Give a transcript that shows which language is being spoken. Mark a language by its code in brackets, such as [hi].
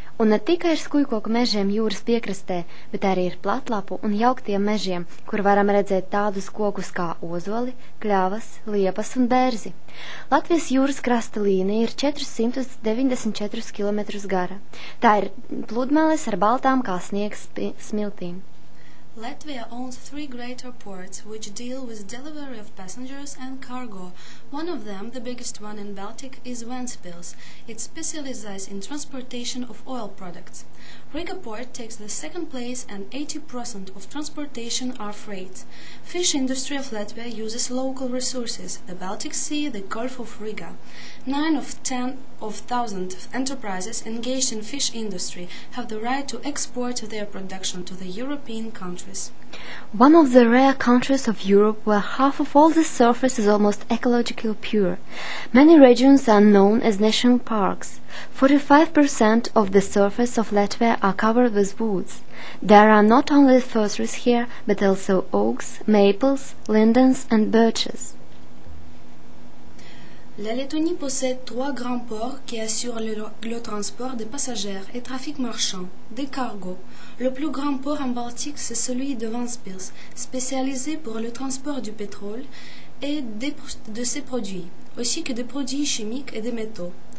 [lv] Un ne tikai ar skujkoku mežiem jūras piekrastē, bet arī ir platlapu un jauktiem mežiem, kur varam redzēt tādus kokus kā ozoli, kļavas, liepas un bērzi. Latvijas jūras krasta līnija ir 494 km gara. Tā ir pludmales ar baltām kā sniegs smiltīm. [en] Latvia owns three greater ports, which deal with delivery of passengers and cargo. One of them, the biggest one in Baltic, is Ventspils. It specializes in transportation of oil products. Riga port takes the second place and 80% of transportation are freight. Fish industry of Latvia uses local resources, the Baltic Sea, the Gulf of Riga. 9 of 10,000 enterprises engaged in fish industry have the right to export their production to the European countries. One of the rare countries of Europe where half of all the surface is almost ecologically pure. Many regions are known as national parks. 45% of the surface of Latvia are covered with woods. There are not only fir trees here, but also oaks, maples, lindens and birches. [fr] La Lettonie possède trois grands ports qui assurent le transport des passagers et trafic marchand, des cargos. Le plus grand port en Baltique, c'est celui de Ventspils, spécialisé pour le transport du pétrole et de ses produits, ainsi que des produits chimiques et des métaux.